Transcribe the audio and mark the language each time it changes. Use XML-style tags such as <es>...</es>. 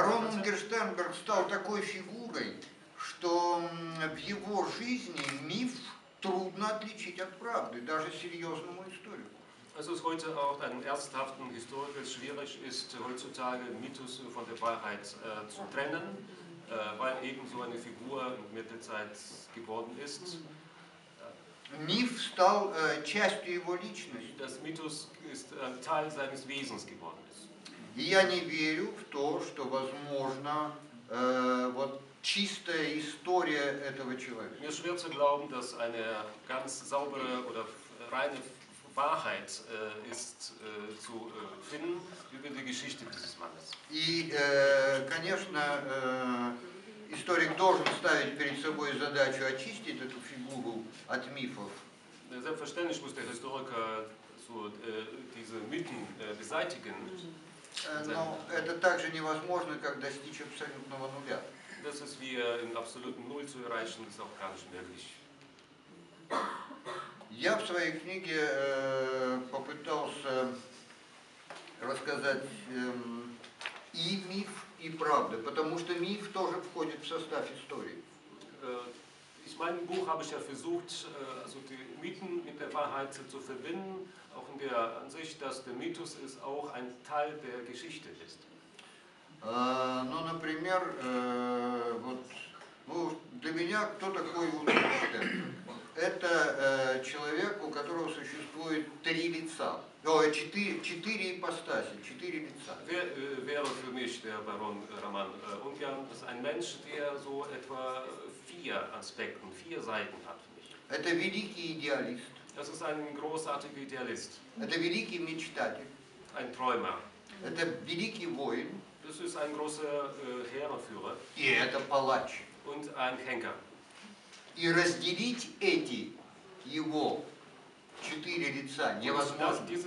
<ru>Барон Ингельштейнберг стал такой фигурой, что в его жизни миф трудно отличить от правды, даже серьезному историку.</ru> <de>Es ist heute auch einen ernsthaften Historiker schwierig, ist heutzutage Mythos von der Wahrheit zu trennen, weil eben so eine Figur mit der Zeit geworden ist.</de> <ru>Миф стал частью его личности.</ru> <de>Das Mythos ist Teil seines Wesens geworden ist.</de> <ru>Я не верю в то, что возможно вот чистая история этого человека.</ru> <de>Mir ist schwer zu glauben, dass eine ganz saubere oder reine Wahrheit ist zu finden über die Geschichte dieses Mannes.</de> <ru>И, конечно, историк должен ставить перед собой задачу очистить эту фигуру от мифов.</ru> <de>Selbstverständlich muss der Historiker so diese Mythen beseitigen.</de> <ru>Но это также невозможно, как достичь абсолютного нуля.</ru> <de>Das ist wie in absoluten Null zu erreichen, ist auch gar nicht möglich.</de> <ru>Я в своей книге попытался рассказать и миф, и правду, потому что миф тоже входит в состав истории.</ru> <de>In meinem Buch habe ich ja versucht, also die Mythen mit der Wahrheit zu verbinden, auch in der Ansicht, dass der Mythos ist auch ein Teil der Geschichte ist.</de> <ru>Ну, например, вот, ну, для меня кто такой Ингельштейн? Это человек, у которого существует три лица. Четыре ипостаси, четыре лица.</ru> <de>Wäre für mich der Baron Roman Ungern ist ein Mensch, der so etwa vier Aspekten, vier Seiten hat für mich.</de> <ru>Это великий идеалист.</ru> <de>Das ist ein großartiger Idealist.</de> <ru>Это великий мечтатель.</ru> <de>Ein Träumer.</de> <ru>Это великий воин.</ru> <de>Das ist ein großer Heerführer.</de> <ru>И это палач.</ru> <de>Und ein Henker.</de> <ru>И разделить эти его четыре лица невозможно.</ru>